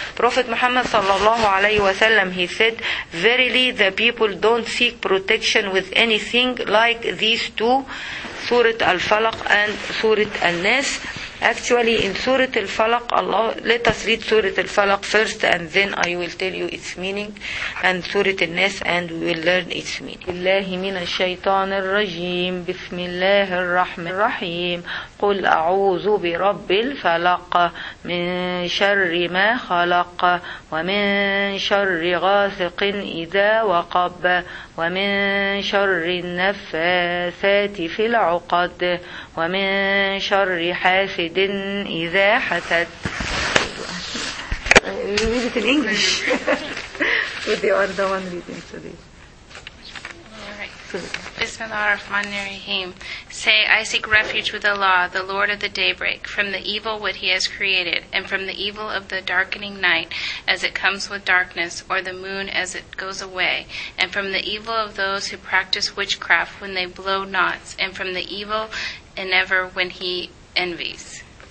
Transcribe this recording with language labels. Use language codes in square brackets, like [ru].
[en] Prophet Muhammad sallallahu alayhi wa sallam, he said, Verily, the people don't seek protection with anything like these two, Surah Al-Falaq and Surah Al-Nas. Actually, in Surah Al-Falaq, Allah, let us read Surah Al-Falaq first, and then I will tell you its meaning, and Surah Al-Nas, and we will learn its meaning. [ar] بالله من الشيطان الرجيم بسم الله الرحمن الرحيم قل أعوذ برب الفلق من شر ما خلق ومن شر غاسق إذا وقب ومن شر النفاثات في العقد ومن شر حاسد إذا حسد. [en] We read it in English. They are the one reading today. [ar] Bismillah ar-Rahman ar-Rahim. [en] Say, I seek refuge with Allah, the Lord of the daybreak, from the evil what He has created, and from the evil of the darkening night, as it comes with darkness, or the moon as it goes away, and from the evil of those who practice witchcraft when they blow knots, and from the evil and ever when He envies.